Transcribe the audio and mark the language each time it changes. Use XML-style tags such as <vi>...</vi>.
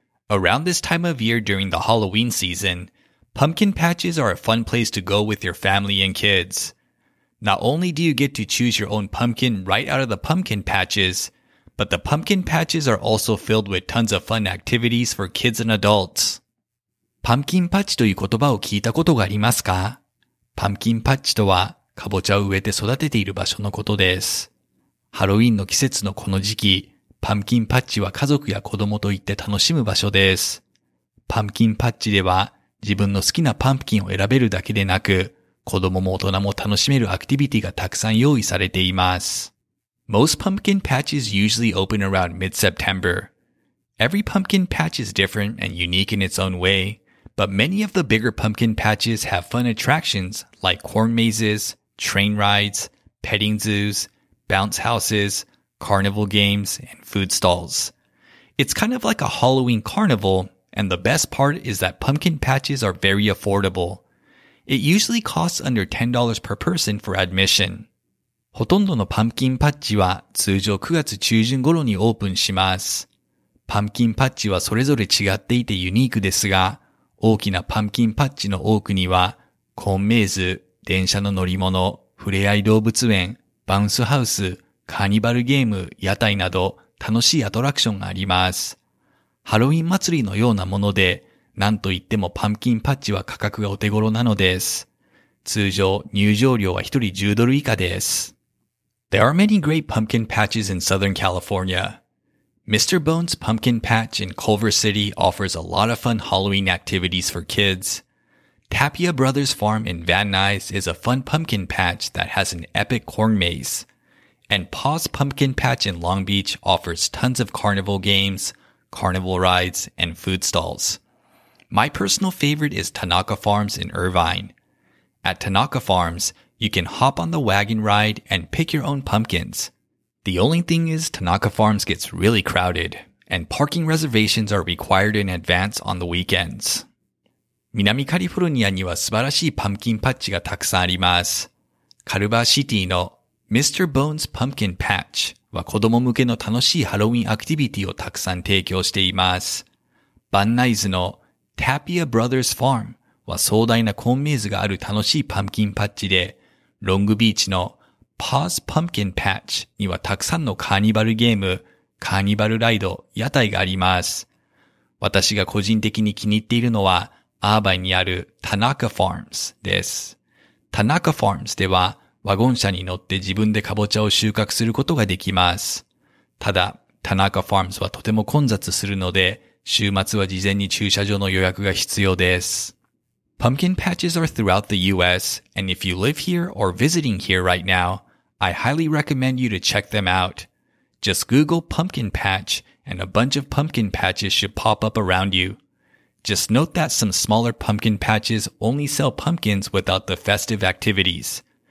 <en>Around this time of year during the Halloween season, pumpkin patches are a fun place to go with your family and kids. Not only do you get to choose your own pumpkin right out of the pumpkin patches, but the pumpkin patches are also filled with tons of fun activities for kids and adults.</en> <ja>Pumpkin patch という言葉を聞いたことがありますか?Pumpkin patch とは、かぼちゃを植えて育てている場所のことです。ハロウィンの季節のこの時期、パンキンパッチは家族や子供と行って楽しむ場所です。パンキンパッチでは、自分の好きなパンプキンを選べるだけでなく、子供も大人も楽しめるアクティビティがたくさん用意されています。</ja> <en>Most pumpkin patches usually open around mid-September. Every pumpkin patch is different and unique in its own way, but many of the bigger pumpkin patches have fun attractions like corn mazes, train rides, petting zoos, bounce houses, carnival games, and food stalls. It's kind of like a Halloween carnival, and the best part is that pumpkin patches are very affordable. It usually costs under $10 per person for admission.</en> <ja>ほとんどのパンキンパッチは通常9月中旬頃にオープンします。パンキンパッチはそれぞれ違っていてユニークですが、大きなパンキンパッチの多くには、コーンメイズ、電車の乗り物、触れ合い動物園、バウンスハウス、カーニバルゲーム、屋台など楽しいアトラクションがあります。ハロウィン祭りのようなもので、なんといってもパンキンパッチは価格がお手頃なのです。通常、入場料は1人10ドル以下です。</ja> <en>There are many great pumpkin patches in Southern California. Mr. Bone's Pumpkin Patch in Culver City offers a lot of fun Halloween activities for kids. Tapia Brothers Farm in Van Nuys is a fun pumpkin patch that has an epic corn maze. And Paw's Pumpkin Patch in Long Beach offers tons of carnival games, carnival rides, and food stalls. My personal favorite is Tanaka Farms in Irvine. At Tanaka Farms, you can hop on the wagon ride and pick your own pumpkins. The only thing is Tanaka Farms gets really crowded, and parking reservations are required in advance on the weekends.</en> <ja>南カリフォルニアには素晴らしいパンキンパッチがたくさんあります。カルバーシティの Mr. Bone's Pumpkin Patch は子供向けの楽しいハロウィンアクティビティをたくさん提供しています。バンナイズの Tapia Brothers Farm は壮大なコーンメイズがある楽しいパンキンパッチで、ロングビーチの Paw's Pumpkin Patch にはたくさんのカーニバルゲーム、カーニバルライド、屋台があります。私が個人的に気に入っているのは、アーバイにある Tanaka Farms です。 Tanaka Farms ではワゴン車に乗って自分でカボチャを収穫することができます。ただ、Tanaka Farms はとても混雑するので、週末は事前に駐車場の予約が必要です。</ja> <en>Pumpkin patches are throughout the US, and if you live here or visiting here right now, I highly recommend you to check them out. Just Google pumpkin patch, and a bunch of pumpkin patches should pop up around you. Just note that some smaller pumpkin patches only sell pumpkins without the festive activities.</en>